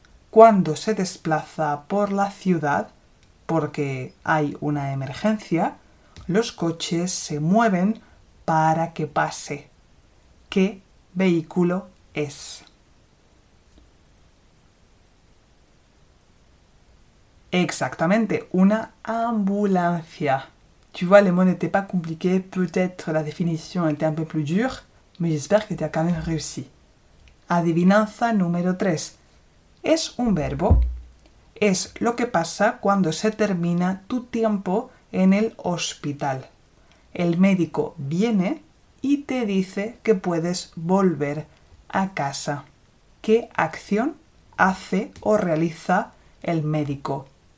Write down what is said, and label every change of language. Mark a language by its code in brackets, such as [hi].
[es] Cuando se desplaza por la ciudad, porque hay una emergencia, los coches se mueven para que pase. ¿Qué vehículo es? Exactamente, una ambulancia. [fr] Tu vois, les mots n'étaient pas compliqués, peut-être la définition était un peu plus dure, mais j'espère que tu as quand même réussi. [es] Adivinanza número 3. Es un verbo. Es lo que pasa cuando se termina tu tiempo en el hospital. El médico viene y te dice que puedes volver a casa. ¿Qué acción hace o realiza el médico?